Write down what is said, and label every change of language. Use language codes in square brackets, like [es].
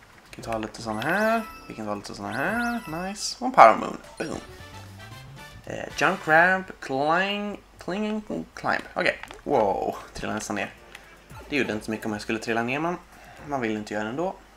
[sv] Vi kan ta lite sådana här. Vi kan ta lite sådana här. Nice. Och en power moon. Boom. [en] Jump, grab, cling and climb. [sv] Okej. Okay. Wow. Trillade nästan ner. Det gjorde inte så mycket om jag skulle trilla ner, men man vill inte göra det ändå.